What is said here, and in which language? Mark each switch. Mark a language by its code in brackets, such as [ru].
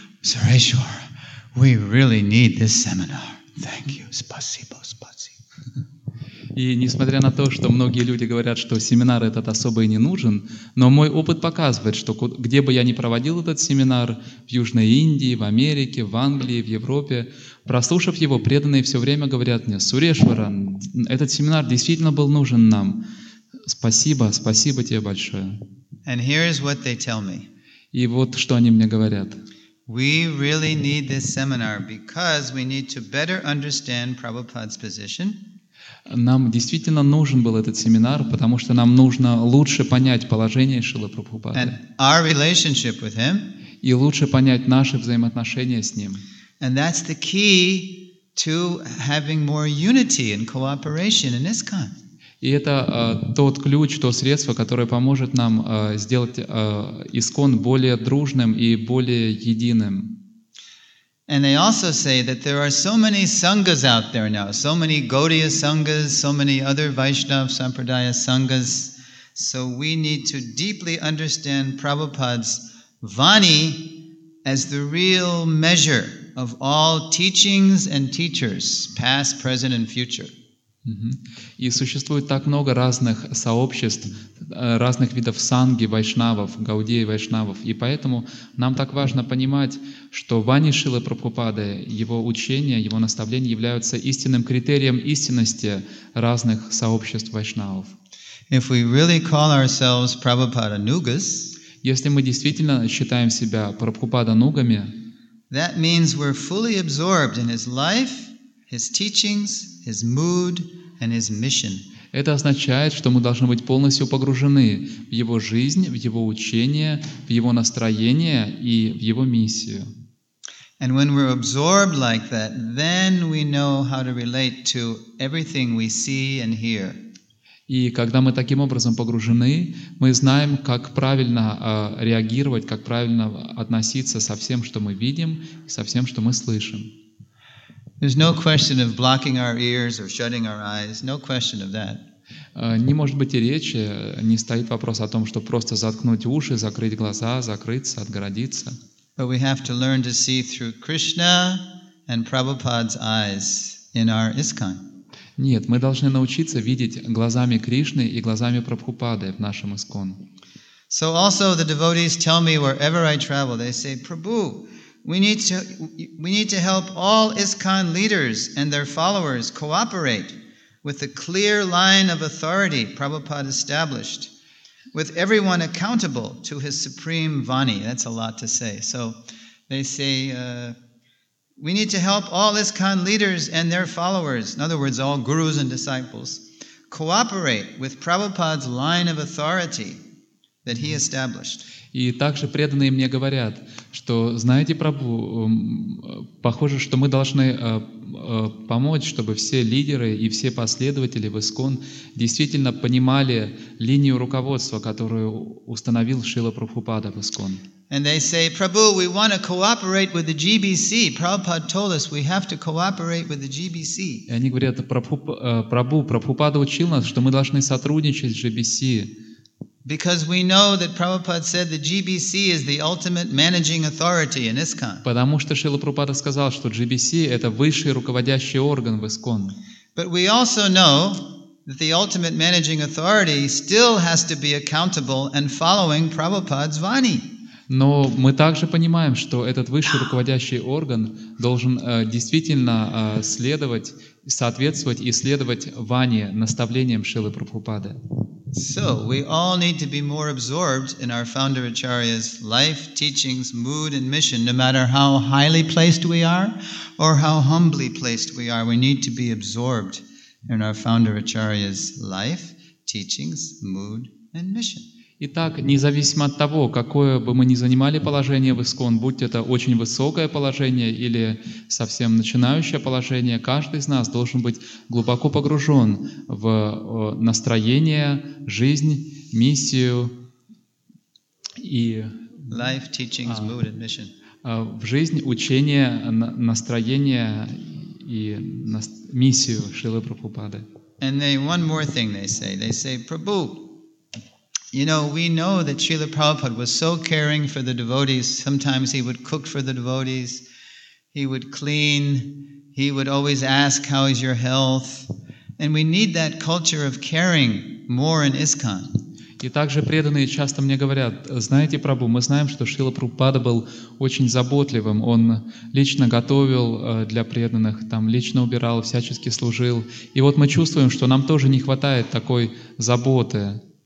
[en] Sureshwar, we really need this seminar. Thank you. [ru] Спасибо, спасибо. И несмотря на то, что многие люди говорят, что семинар этот особо и не нужен, но мой опыт показывает, что где бы я ни проводил этот семинар, в Южной Индии, в Америке, в Англии, в Европе, прослушав его, преданные все время говорят мне: «Сурешваран, этот семинар действительно был нужен нам. Спасибо, спасибо тебе большое». [en] And here is what they tell me. [ru] И вот что они мне говорят. [en] We really need this seminar because we need to better understand Prabhupada's position. [ru] Нам действительно нужен был этот семинар, потому что нам нужно лучше понять положение Шрилы Прабхупады. [en] And our relationship with him. [ru] И лучше понять наши взаимоотношения с ним. [en] And that's the key to having more unity and cooperation in ISKCON. [ru] И это тот ключ, то средство, которое поможет нам сделать ИСККОН более дружным и более единым. [en] And they also say that there are so many sanghas out there now, so many Gaudiya sanghas, so many other Vaishnava Sampradaya sanghas. So we need to deeply understand Prabhupada's vani as the real measure of all teachings and teachers, past, present and future. [ru] И существует так много разных сообществ, разных видов санги, вайшнавов, гаудии вайшнавов. И поэтому нам так важно понимать, что вани Шрилы Прабхупады, его учения, его наставления являются истинным критерием истинности разных сообществ вайшнавов. [en] If we really call ourselves Prabhupada Nugas, [ru] если мы действительно считаем себя Прабхупада Нугами, [en] that means we're fully absorbed in his life, his teachings, his mood and his mission. [ru] Это означает, что мы должны быть полностью погружены в его жизнь, в его учение, в его настроение и в его миссию. [en] And when we're absorbed like that, then we know how to relate to everything we see and hear. [ru] И когда мы таким образом погружены, мы знаем, как правильно реагировать, как правильно относиться со всем, что мы видим, со всем, что мы слышим. [en] There's no question of blocking our ears or shutting our eyes. No question of that. [ru] Не может быть и речи, не стоит вопрос о том, чтобы просто заткнуть уши, закрыть глаза, закрыться, отгородиться. [en] But we have to learn to see through Krishna and Prabhupada's eyes in our ISKCON. [ru] Нет, мы должны научиться видеть глазами Кришны и глазами Прабхупады в нашем ИСККОН. [en] So also the devotees tell me wherever I travel, they say, Prabhu, We need to help all ISKCON leaders and their followers cooperate with the clear line of authority Prabhupada established, with everyone accountable to his supreme vani. That's a lot to say. So they say, we need to help all ISKCON leaders and their followers, in other words, all gurus and disciples, cooperate with Prabhupada's line of authority that he established. [ru] И также преданные мне говорят, что, знаете, Прабху, похоже, что мы должны помочь, чтобы все лидеры и все последователи в ИСКОН действительно понимали линию руководства, которую установил Шрила Прабхупада в ИСКОН. [en] And they say, Prabhu, we want to cooperate with the GBC. Prabhupada told us we have to cooperate with the GBC. [ru] И они говорят, Прабху, Прабхупада учил нас, что мы должны сотрудничать с GBC. [en] Because we know that Prabhupada said the GBC is the ultimate managing authority in ISKCON. [ru] Потому что Шрила Прабхупада сказал, что GBC это высший руководящий орган в ИСКОН. [en] But we also know that the ultimate managing authority still has to be accountable and following Prabhupada's vani. [ru] Но мы также понимаем, что этот высший руководящий орган должен действительно следовать, соответствовать и следовать вани, наставлениям Шрилы Прабхупады. [en] So we all need to be more absorbed in our founder Acharya's life, teachings, mood and mission, no matter how highly placed we are or how humbly placed we are. We need to be absorbed in our founder Acharya's life, teachings, mood and mission. [ru] Итак, независимо от того, какое бы мы ни занимали положение в ИСКОН, будь это очень высокое положение или совсем начинающее положение, каждый из нас должен быть глубоко погружен в настроение, жизнь, миссию и [en] life, teachings, mood and mission. [ru] В жизнь, учение, настроение и миссию Шрилы Прабхупады. [en] And they, one more thing they say, Prabhu, you know, we know that Srila Prabhupada was so caring for the devotees. Sometimes he would cook for the devotees, he would clean, he would always ask, how is your health? And we need that culture of caring more in ISKCON. [ru] И также преданные часто мне говорят, знаете, Прабху, мы знаем, что Шрила Прабхупада был очень заботливым. Он лично готовил для преданных, там, лично убирал, всячески служил. И вот мы чувствуем, что нам тоже не хватает такой заботы.